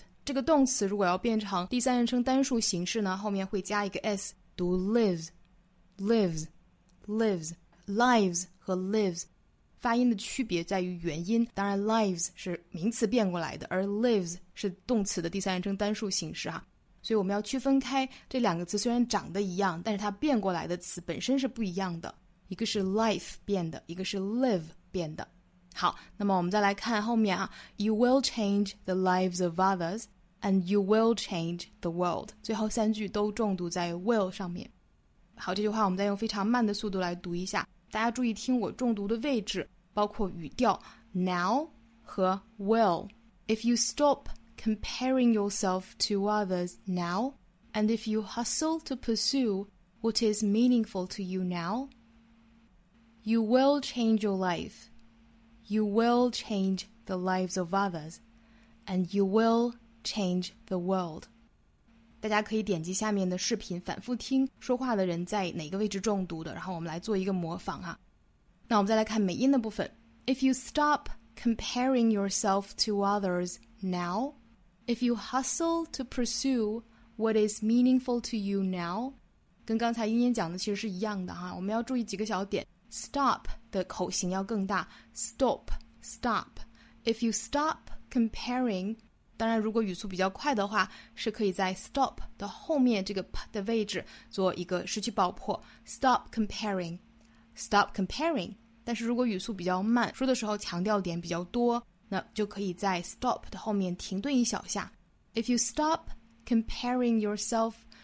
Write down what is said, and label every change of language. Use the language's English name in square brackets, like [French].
[Chinese] 这个动词如果要变成第三人称单数形式呢，后面会加一个 s， 读 lives， lives， lives， lives 和 lives 发音的区别在于元音。当然 lives 是名词变过来的，而 lives 是动词的第三人称单数形式啊。所以我们要区分开这两个词，虽然长得一样，但是它变过来的词本身是不一样的，一个是 life 变的，一个是 live 变的。好，那么我们再来看后面啊， [English] You will change the lives of others and you will change the world， [Chinese] 最后三句都重读在 will 上面。好，这句话我们再用非常慢的速度来读一下，大家注意听我重读的位置，包括语调 now 和 will。 [English] If you stop comparing yourself to others now and if you hustle to pursue what is meaningful to you now, you will change your lifeYou will change the lives of others, and you will change the world. [Chinese] 大家可以点击下面的视频反复听说话的人在哪个位置重读的，然后我们来做一个模仿啊。那我们再来看美音的部分。 [English] If you stop comparing yourself to others now, if you hustle to pursue what is meaningful to you now, [Chinese] 跟刚才英英讲的其实是一样的啊，我们要注意几个小点。 Stop 的口型要更大 Stop Stop If you stop comparing 当然如果语速比较快的话是可以在 stop 的后面这个 p 的位置做一个失去爆破 [English] Stop comparing Stop comparing [Chinese] 但是如果语速比较慢说的时候强调点比较多那就可以在 stop 的后面停顿一小下 [English] If you stop comparing yourself